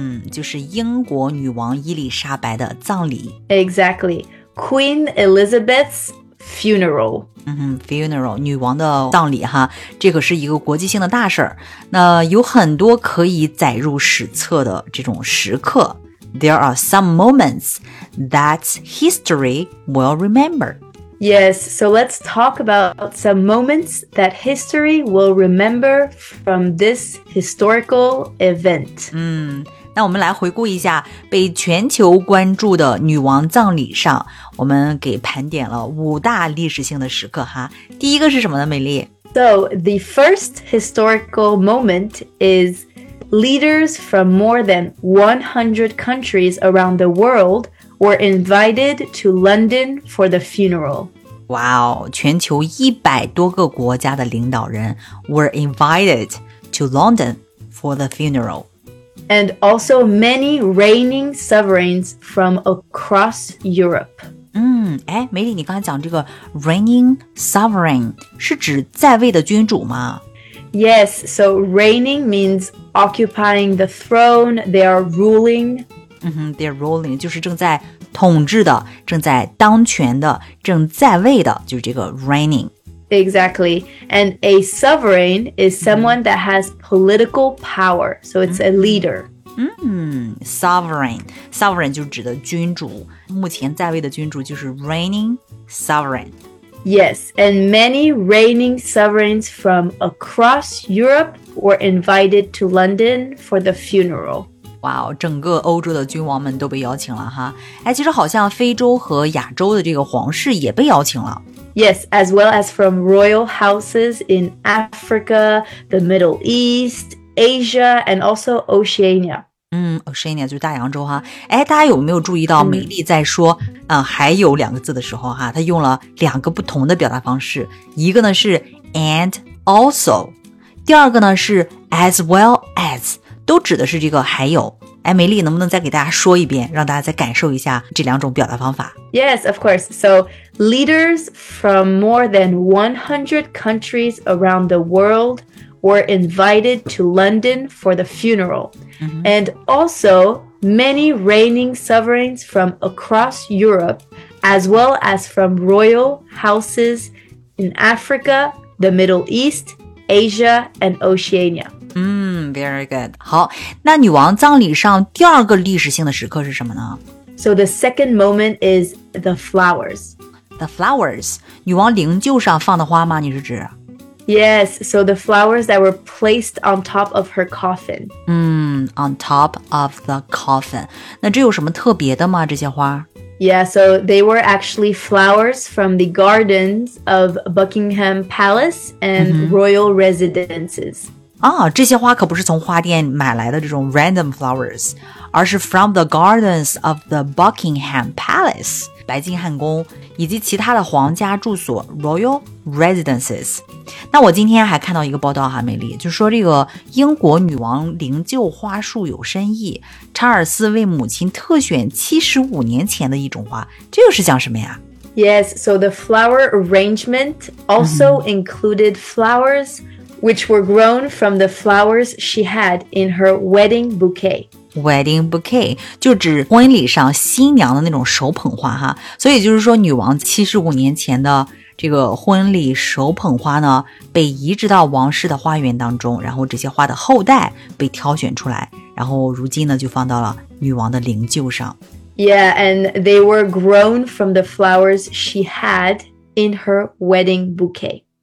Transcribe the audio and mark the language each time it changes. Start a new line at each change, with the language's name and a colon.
Chinese: 就是英国女王伊丽莎白的葬礼。
English: Exactly. Queen Elizabeth's funeral.
Chinese: Funeral, 女王的葬礼哈，这可是一个国际性的大事儿。那有很多可以载入史册的这种时刻。
English: There are some moments that history will remember. Yes, so let's talk about some moments that history will remember from this historical event.
Chinese: 那我们来回顾一下被全球关注的女王葬礼上，我们给盘点了五大历史性的时刻哈。第一个是什么呢，美丽？
English: So, the first historical moment is leaders from more than 100 countries around the world were invited to London for the funeral. Wow, 全球100多个国家的领导人 were invited to London for the funeral. And also many reigning sovereigns from across Europe.
Chinese: 美丽，你刚才讲这个 reigning sovereign 是指在位的君主吗？
English: Yes, so reigning means occupying the throne, they are ruling.
Chinese: They are ruling, 就是正在统治的，正在当权的，正在位的，就是这个 reigning.
English: Exactly. And a sovereign is someone that has political power. So it's a leader. Sovereign.
Chinese: Sovereign 就指的君主。目前在位的君主就是 reigning sovereign.
English: Yes. And many reigning sovereigns from across Europe were invited to London for the funeral.
Chinese: Wow, 整个欧洲的君王们都被邀请了哈。其实好像非洲和亚洲的这个皇室也被邀请了。
English: Yes, as well as from royal houses in Africa, the Middle East, Asia, and also Oceania.
Chinese: Oceania 就是大洋洲哈。大家有没有注意到美丽在说、还有两个字的时候哈，她用了两个不同的表达方式。一个呢是 and also, 第二个呢是 as well as, 都指的是这个还有。美丽能不能再给大家说一遍，让大家再感受一下这两种表达方法。
English: Yes, of course. So, leaders from more than 100 countries around the world were invited to London for the funeral. And also, many reigning sovereigns from across Europe, as well as from royal houses in Africa, the Middle East, Asia, and Oceania. Very good.
Chinese: 好，那女王葬礼上第二个历史性的时刻是什么呢？
English: So the second moment is the flowers.
Chinese: The flowers. 女王灵柩上放的花吗？你是指？
English: Yes, so the flowers that were placed on top of her coffin.
Chinese: On top of the coffin. 那这有什么特别的吗？这些花？
English: Yeah, so they were actually flowers from the gardens of Buckingham Palace and royal residences.
Chinese: 这些花可不是从花店买来的这种 random flowers, 而是 from the gardens of the Buckingham Palace, 白金汉宫以及其他的皇家住所 royal residences. 那我今天还看到一个报道哈，美丽，就说这个英国女王灵柩花束有深意，查尔斯为母亲特选75年前的一种花，这又是讲什么呀？
English: Yes, so the flower arrangement also included flowers which were grown from the flowers she had in her wedding bouquet.
Chinese: Wedding bouquet, 就指婚礼上新娘的那种手捧花哈。所以就是说女王75年前的这个婚礼手捧花呢，被移植到王室的花园当中，然后这些花的后代被挑选出来，然后如今呢就放到了女王的灵柩上。
English: Yeah, and they were grown from the flowers she had in her wedding bouquet.